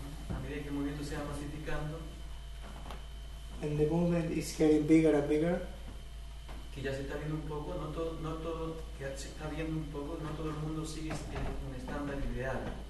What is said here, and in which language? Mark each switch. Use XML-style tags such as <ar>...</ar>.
<es>A medida que el movimiento se va masificando,</es> <en>and the movement is getting bigger and bigger,</en> <es>que ya se está viendo un poco, no todo, que se está viendo un poco, no todo el mundo sigue un estándar ideal.</es>